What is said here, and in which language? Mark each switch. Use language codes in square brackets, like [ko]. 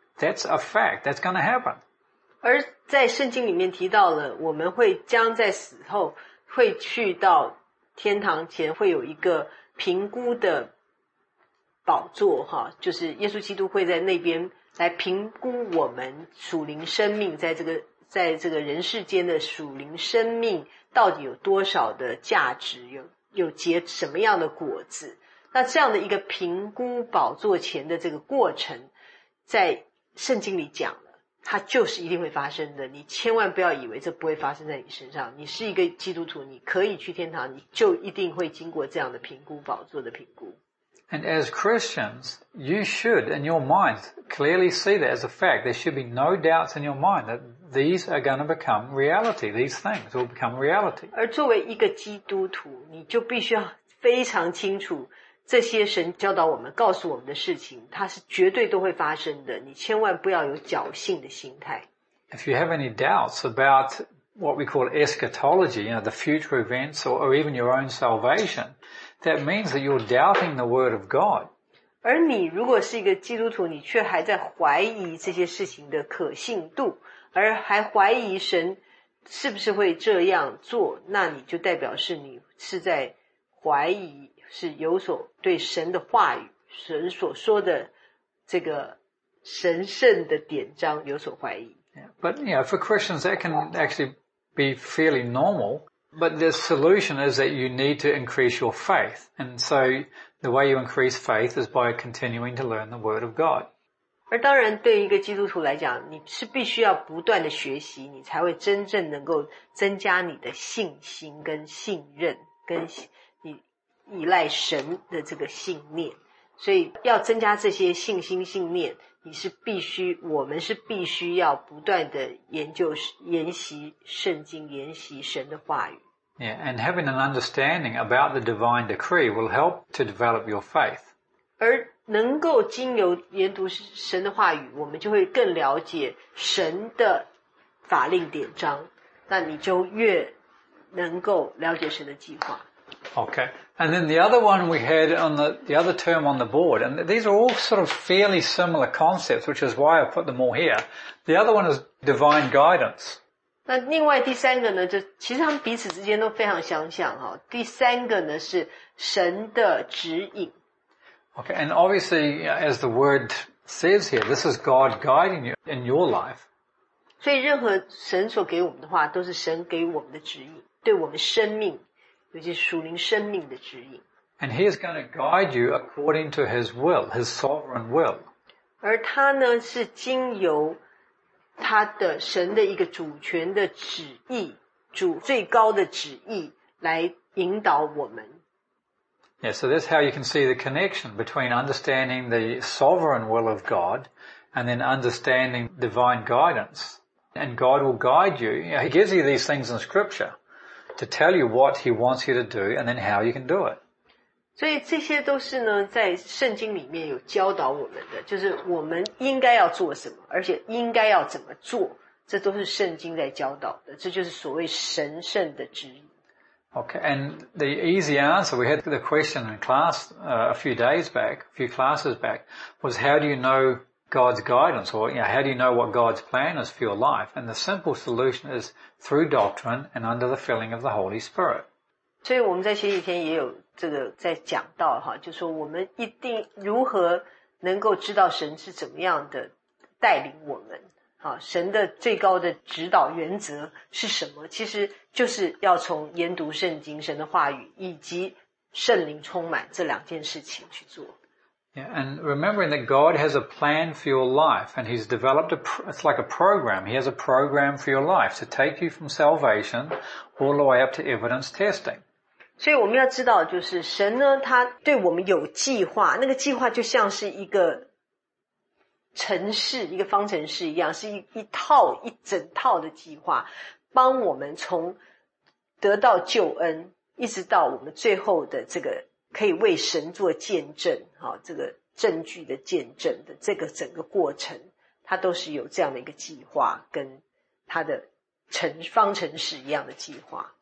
[en] That's a fact, that's going to happen. [zh] 而在圣经里面提到了，我们会将在死后会去到天堂前，会有一个评估的宝座，哈，就是耶稣基督会在那边来评估我们属灵生命在这个人世间的属灵生命到底有多少的价值，有结什么样的果子。那这样的一个评估宝座前的这个过程，在圣经里讲。它就是一定会发生的，你千万不要以为这不会发生在你身上。你是一个基督徒，你可以去天堂，你就一定会经过这样的评估，宝座的评估。 [en] And as Christians, you should in your mind clearly see that as a fact. There should be no doubts in your mind that these are going to become reality. These things will become reality. [zh] 而作为一个基督徒，你就必须要非常清楚这些神教导我们告诉我们的事情，它是绝对都会发生的，你千万不要有侥幸的心态。 [en] If you have any doubts about what we call eschatology, you know, the future events or even your own salvation, that means that you're doubting the word of God. [zh] 而你如果是一个基督徒，你却还在怀疑这些事情的可信度，而还怀疑神是不是会这样做，那你就代表是你是在怀疑是有所对神的话语，神所说的这个神圣的典章有所怀疑。 [en] Yeah, but yeah, for Christians that can actually be fairly normal. But the solution is that you need to increase your faith. And so the way you increase faith is by continuing to learn the Word of God. [zh] 而当然，对一个基督徒来讲，你是必须要不断的学习，你才会真正能够增加你的信心跟信任跟。依赖神的这个信念，所以要增加这些信心信念，你是必须，我们是必须要不断的研究研习圣经，研习神的话语。 [en] Yeah, and having an understanding about the divine decree will help to develop your faith. [zh] 而能够经由研读神的话语，我们就会更了解神的法令典章，那你就越能够了解神的计划。 [en] Okay, and then the other one we had on the other term on the board, and these are all sort of fairly similar concepts, which is why I put them all here. The other one is divine guidance. [zh] 那另外第三个呢，就其实他们彼此之间都非常相像哈。第三个呢是神的指引。 [en] Okay, and obviously, as the word says here, this is God guiding you in your life. [zh] 所以任何神所给我们的话，都是神给我们的指引，对我们生命。尤其是属灵生命的指引。 [en] And he is going to guide you according to his will, his sovereign will. [zh] 而他呢是经由他的神的一个主权的旨意，主最高的旨意来引导我们。 [en] Yeah, so that's how you can see the connection between understanding the sovereign will of God and then understanding divine guidance. And God will guide you. You know, he gives you these things in scripture. To tell you what he wants you to do and then how you can do it. [zh] 所以这些都是呢在圣经里面有教导我们的，就是我们应该要做什么，而且应该要怎么做，这都是圣经在教导的，这就是所谓神圣的指引。 [en] Okay, and the easy answer, we had the question in class a few classes back, was how do you know God's guidance, or you know, how do you know what God's plan is for your life? And the simple solution is through doctrine and under the filling of the Holy Spirit. [zh] 所以我们在前几天也有这个在讲到哈，就说我们一定如何能够知道神是怎么样的带领我们。好，神的最高的指导原则是什么？其实就是要从研读圣经、神的话语以及圣灵充满这两件事情去做。 [en] Yeah, and remembering that God has a plan for your life and he's developed it's like a program. He has a program for your life to take you from salvation all the way up to evidence testing. [zh] 所以我们要知道就是神呢他对我们有计划，那个计划就像是一个程式，一个方程式一样，是 一整套的计划，帮我们从得到救恩一直到我们最后的这个可以为神做见证，这个证据的见证的这个整个过程，它都是有这样的一个计划，跟它的方程式一样的计划。